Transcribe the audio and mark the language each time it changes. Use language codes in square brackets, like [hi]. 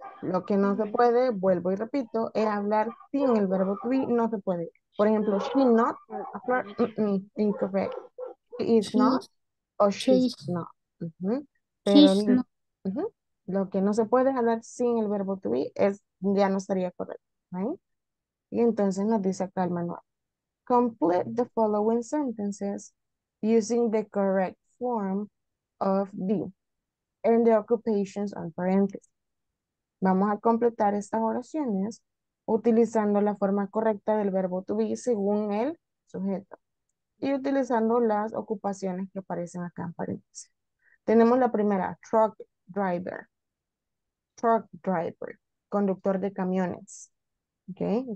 [es] Lo que no se puede, vuelvo y repito, es hablar sin el verbo to be, no se puede. Por ejemplo, [en] she not a floor, incorrect. She is not o she's not. [es] Pero, [en] she's not. [es] Lo que no se puede hablar sin el verbo to be es ya no estaría correcto. [en] Right? [es] Y entonces nos dice acá el manual. [en] Complete the following sentences using the correct form of be and the occupations on parentheses. [es] Vamos a completar estas oraciones utilizando la forma correcta del verbo to be según el sujeto y utilizando las ocupaciones que aparecen acá en paréntesis. Tenemos la primera, truck driver. Truck driver, conductor de camiones. ¿Ok?